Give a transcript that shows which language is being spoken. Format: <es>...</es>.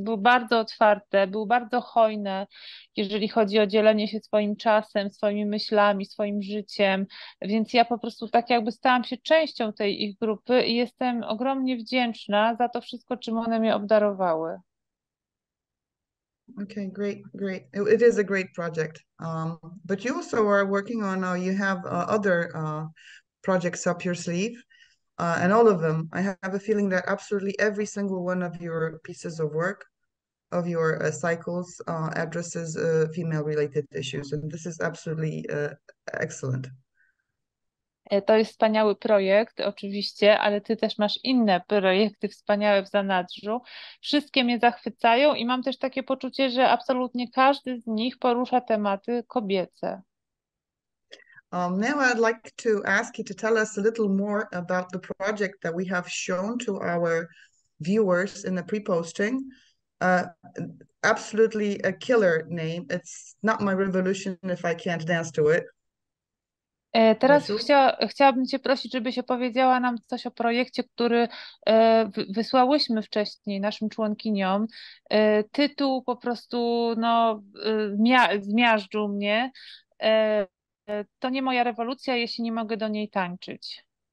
<pl>Był bardzo otwarte, był bardzo hojny, jeżeli chodzi o dzielenie się swoim czasem, swoimi myślami, swoim życiem. Więc ja po prostu tak jakby stałam się częścią tej ich grupy i jestem ogromnie wdzięczna za to wszystko, czym one mnie obdarowały.</pl> <en>Okay, great. It is a great project. But you also are working on, you have other projects up your sleeve. And all of them, I have a feeling that absolutely every single one of your pieces of work, of your cycles, addresses female-related issues. And this is absolutely excellent.</en> <pl>To jest wspaniały projekt, oczywiście, ale ty też masz inne projekty wspaniałe w zanadrzu. Wszystkie mnie zachwycają i mam też takie poczucie, że absolutnie każdy z nich porusza tematy kobiece.</pl> <en>Now I'd like to ask you to tell us a little more about the project that we have shown to our viewers in the pre-posting. Absolutely a killer name. It's not my revolution if I can't dance to it.</en> <pl>Teraz Basiu? chciałabym Cię prosić, żebyś opowiedziała nam coś o projekcie, który wysłałyśmy wcześniej naszym członkiniom. Tytuł po prostu no, zmiażdżył mnie. To nie moja rewolucja, jeśli nie mogę do niej tańczyć.</pl>